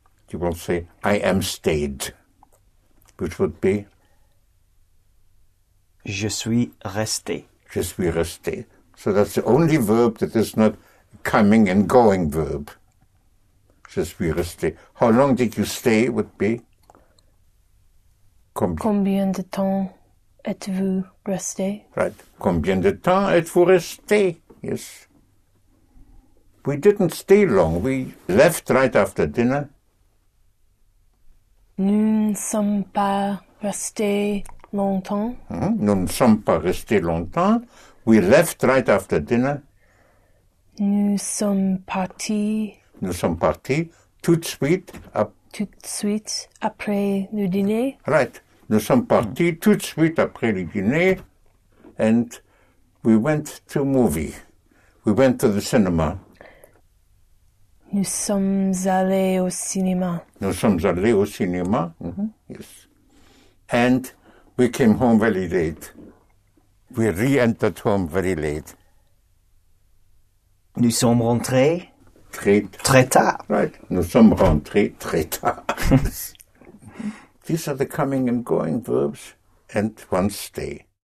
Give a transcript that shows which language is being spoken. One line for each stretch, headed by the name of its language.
English: You will say, I am stayed, which would be?
French: Je suis resté. Je suis resté.
English: So that's the only verb that is not coming and going verb.
French: Je suis resté.
English: How long did you stay would be?
French: Combien de temps êtes-vous resté?
English: Right.
French: Combien de temps êtes-vous resté?
English: Yes. We didn't stay long. We left right after dinner.
French: Nous ne sommes pas restés longtemps. Nous ne sommes pas restés longtemps.
English: We left right after dinner.
French: Nous sommes partis tout de suite. Tout de suite après le dîner.
English: Right.
French: Nous sommes partis tout de suite après le dîner.
English: And we went to movie. We went to the cinema.
French: Nous sommes allés au cinéma. Nous sommes allés au cinéma.
English: Mm-hmm. Yes. And we came home very late. We re-entered home very late.
French: Nous sommes rentrés très tard.
English: Right.
French: Nous sommes rentrés très tard.
English: These are the coming and going verbs and one stay.